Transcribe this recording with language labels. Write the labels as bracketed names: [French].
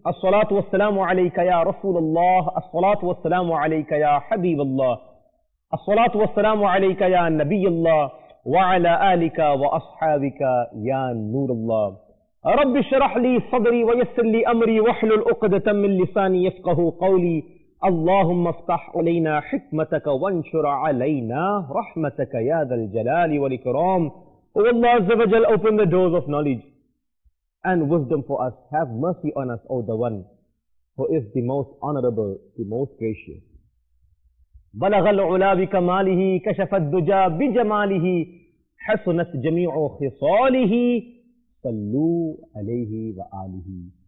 [Arabic] الصلاة والسلام عليك يا رسول الله، الصلاة والسلام عليك يا حبيب الله، الصلاة والسلام عليك يا نبي الله، وعلى آلك وأصحابك يا نور الله. رب اشرح لي صدري ويسر لي امري واحلل عقدة من لساني يفقهوا قولي. اللهم افتح علينا حكمتك وانشر علينا رحمتك يا ذا الجلال والاكرام. والله عز وجل [English] open the doors of knowledge and wisdom for us. Have mercy on us, O the one who is the most honorable, the most gracious. [Arabic] بلغ العلا بكماله، كشف الدجى بجماله، حسنت جميع خصاله، صلوا عليه وآله.